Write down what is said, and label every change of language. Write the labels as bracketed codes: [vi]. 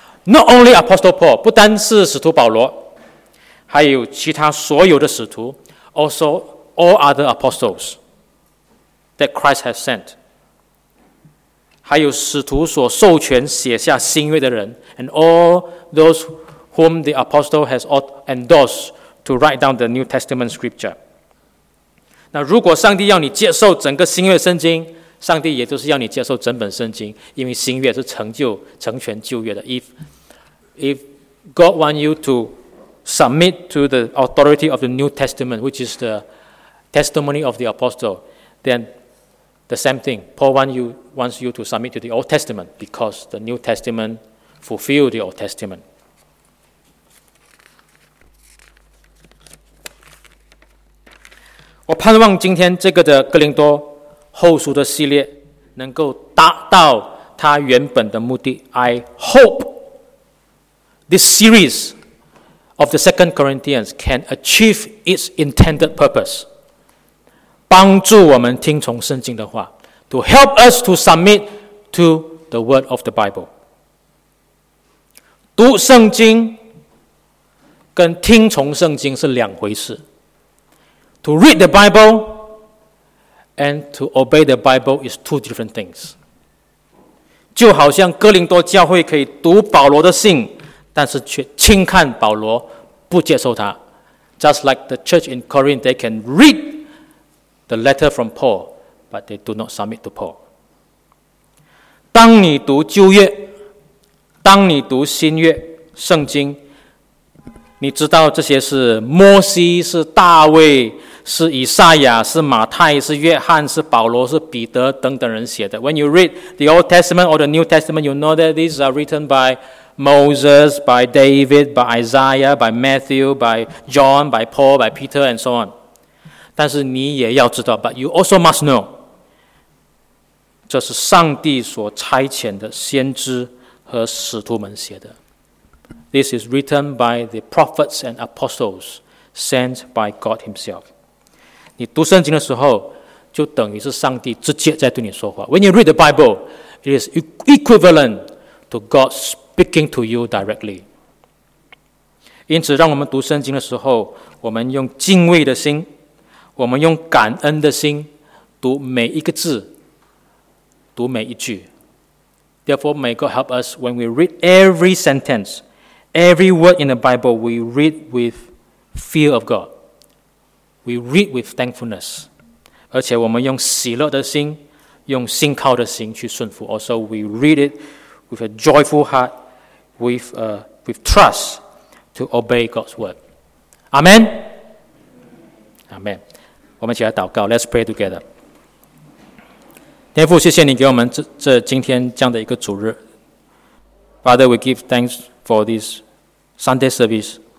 [en] Not only Apostle Paul, [zh] 不单是使徒保罗，还有其他所有的使徒 [en] also all other apostles that Christ has sent. [zh] 还有使徒所授权写下新约的人 [en] and all those whom the apostle has endorsed to write down the New Testament scripture. [zh] 那如果上帝要你接受整个新约圣经，上帝也就是要你接受整本圣经，因为新约是成全旧约的。 [en] If God want you to submit to the authority of the New Testament, which is the testimony of the apostle, then the same thing. Paul wants you to submit to the Old Testament because the New Testament fulfilled the Old Testament. I hope today's Galatians letter series can achieve its original purpose. I hope this series of the 2 Corinthians can achieve its intended purpose. [zh] 帮助我们听从圣经的话 [en] to help us to submit to the word of the Bible. [zh] 读圣经跟听从圣经是两回事。 [en] To read the Bible and to obey the Bible is two different things. [zh] 就好像哥林多教会可以读保罗的信，但是却轻看保罗，不接受他。 [en] Just like the church in Corinth, they can read the letter from Paul, but they do not submit to Paul. [zh] 当你读旧约，当你读新约圣经，你知道这些是摩西，是大卫，是以赛亚，是马太，是约翰，是保罗，是彼得等等人写的。 [en] When you read the Old Testament or the New Testament, you know that these are written by Moses, by David, by Isaiah, by Matthew, by John, by Paul, by Peter, and so on. [zh] 但是你也要知道 [en] but you also must know, [zh] 这是上帝所差遣的先知和使徒们写的。 [en] This is written by the prophets and apostles sent by God himself. [zh] 你读圣经的时候就等于是上帝直接在对你说话。 [en] When you read the Bible, it is equivalent to God speaking to you directly. [zh] 因此让我们读圣经的时候，我们用敬畏的心，我们用感恩的心读每一个字，读每一句。 [en] Therefore, may God help us when we read every sentence, every word in the Bible, we read with fear of God. We read with thankfulness. [zh] 而且我们用喜乐的心，用信靠的心去顺服。 [en] Also, we read it with a joyful heart, with trust to obey God's word. Amen. Amen. [zh] 我们一起来祷告。 [en] Let's pray together. [zh] 天父，谢谢你给我们 这今天这样的一个主日。 [en] Father, we give thanks for this Sunday service.